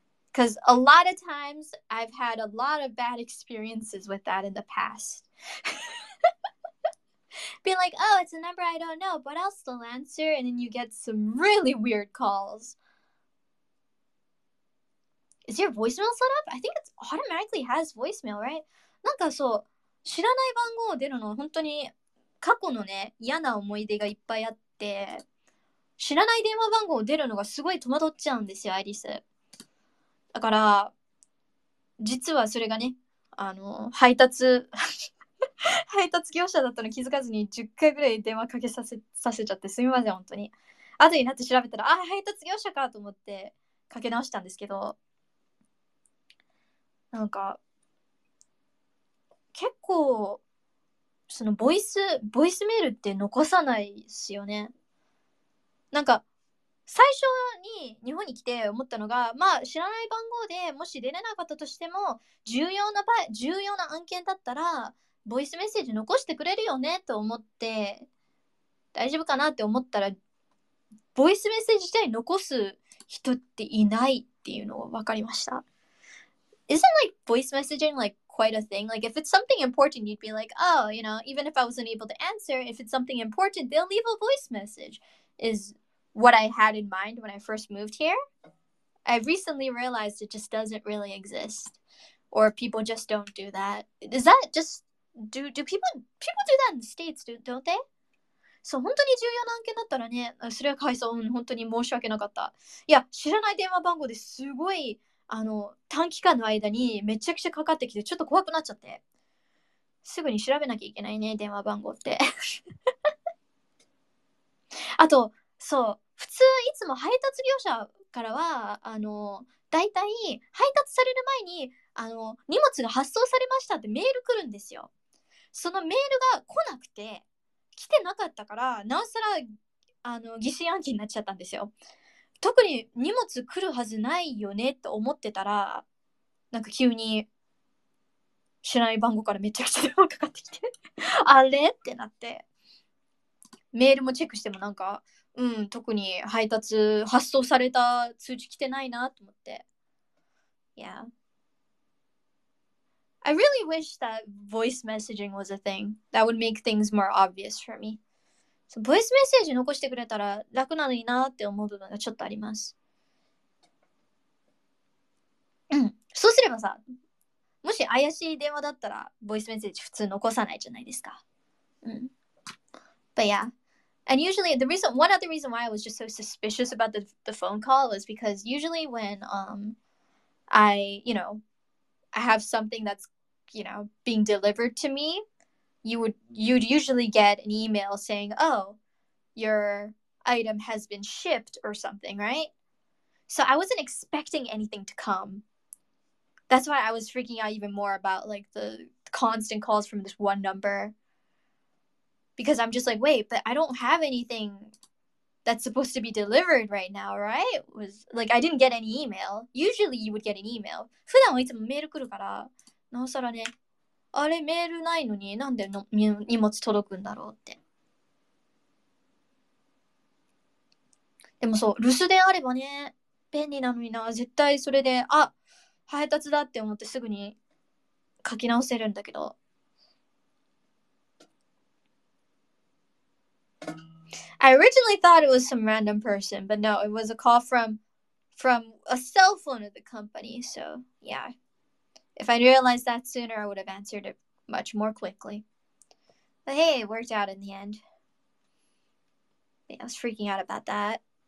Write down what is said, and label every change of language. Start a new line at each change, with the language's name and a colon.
English: Because a lot of times, I've had a lot of bad experiences with that in the past. Being like, oh, it's a number I don't know, but I'll still answer. And then you get some really weird calls. Is your voicemail set up? I think it automatically has voicemail, right?
Japanese: なんかそう、知らない番号を出るのは本当に過去のね、嫌な思い出がいっぱいあって、知らない電話番号を出るのがすごい戸惑っちゃうんですよ、アイリス。だから、実はそれがね、配達、配達業者だったの気づかずに10回ぐらい電話かけさせちゃってすみません本当に。後になって調べたら、あ、配達業者かと思ってかけ直したんですけど、なんか結構そのボイスメールって残さないっすよね。なんか最初に日本に来て思ったのが、まあ知らない番号でもし出れなかったとしても重要な案件だったらボイスメッセージ残してくれるよねと思って大丈夫かなって思ったら、ボイスメッセージ自体残す人っていないっていうのが分かりました。
English: Isn't like voice messaging like quite a thing? Like if it's something important you'd be like, oh, you know, even if I wasn't able to answer, if it's something important they'll leave a voice message is what I had in mind when I first moved here. I recently realized it just doesn't really exist, or people just don't do that. Is that just do people do that in the States, don't they?
Japanese: そう、本当に重要な案件だったらね、それはかわいそう、本当に申し訳なかった。いや、知らない電話番号ですごい、あの短期間の間にめちゃくちゃかかってきてちょっと怖くなっちゃって、すぐに調べなきゃいけないね電話番号って。あと、そう、普通いつも配達業者からはあのだいたい配達される前にあの荷物が発送されましたってメール来るんですよ。そのメールが来なくて、来てなかったからなおさらあの疑心暗鬼になっちゃったんですよ。特に荷物来るはずないよねと思ってたら、なんか急に知らない番号からめちゃくちゃ電話かかってきて、あれってなって、メールもチェックしてもなんか、うん、特に配達発送された通知来てないなと思って。
English: Yeah, I really wish that voice messaging was a thing. That would make things more obvious for me.
Japanese: So, ボイスメッセージ残してくれたら楽なのになって思う部分がちょっとあります。うん、そうすればさ、もし怪しい電話だったらボイスメッセージ普通残さないじゃないですか。
English: うん、 But yeahAnd usually, one other reason why I was just so suspicious about the phone call is because usually when I, you know, I have something that's, you know, being delivered to me, you'd usually get an email saying, oh, your item has been shipped or something, right? So I wasn't expecting anything to come. That's why I was freaking out even more about, like, the constant calls from this one number. Because I'm just like, wait, but I don't have anything that's supposed to be delivered right now, right? Was, like, I didn't get any email. Usually you would get an email.
Japanese: 普段はいつもメール来るから、なおさらね、あれメールないのになんで荷物届くんだろうって。でもそう、留守電あればね、便利なのにな、絶対それで、あ、配達だって思ってすぐに書き直せるんだけど。
English: I originally thought it was some random person, but no, it was a call from a cell phone of the company. So, yeah. If I realized that sooner, I would have answered it much more quickly. But hey, it worked out in the end. Yeah, I was freaking out about that.